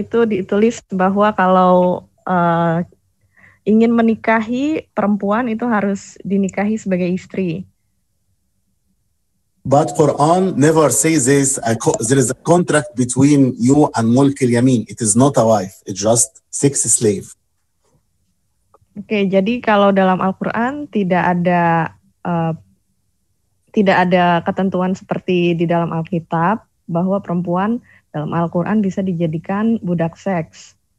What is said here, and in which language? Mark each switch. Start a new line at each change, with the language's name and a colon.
Indonesian: Itu ditulis bahwa kalau ingin menikahi perempuan itu harus dinikahi sebagai istri.
English: But Quran never says this. There is a contract between you and Mulk al-Yamin. It is not a wife. It's just sex slave.
Indonesian: Oke, okay, jadi kalau dalam Al-Quran tidak ada ketentuan seperti di dalam Alkitab bahwa perempuan dalam Al-Quran bisa dijadikan budak seks.